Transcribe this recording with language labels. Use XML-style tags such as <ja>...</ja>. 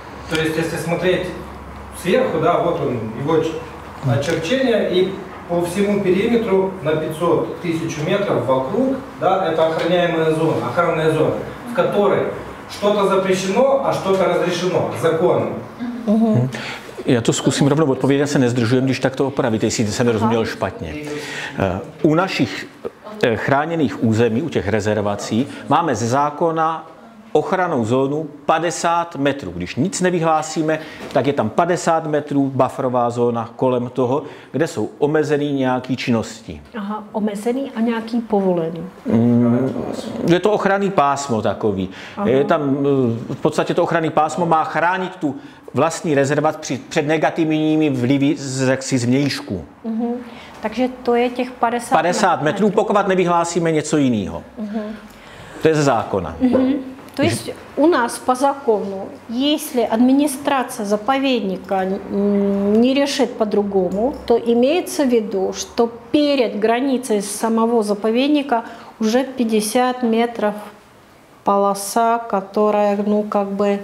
<ru>То есть, если смотреть сверху, да, вот он, его очерчение, и по всему периметру на 500-1000 метров вокруг, да, это охраняемая зона, охранная зона, в которой что-то запрещено, а что-то разрешено законом.</ru> <cs>Já to zkusím rovnou odpovědět, se nezdržujem, když tak to opravit, jestli jsem rozuměl špatně. U našich chráněných území, u těch rezervací, máme ze zákona ochranou zónu 50 metrů. Když nic nevyhlásíme, tak je tam 50 metrů bufferová zóna kolem toho, kde jsou omezený nějaký činnosti. Aha, omezený a nějaký povolený. Je to ochranný pásmo takový. Aha. Je tam v podstatě to ochranný pásmo má chránit tu vlastní rezervat před negativními vlivy z vnějšku. Takže to je těch 50 metrů, pokud nevyhlásíme něco jiného. To je ze zákona.</cs> <ru>То есть у нас по закону, если администрация заповедника не решит по-другому, то имеется в виду, что перед границей самого заповедника уже 50 метров полоса, которая, ну, как бы...</ru>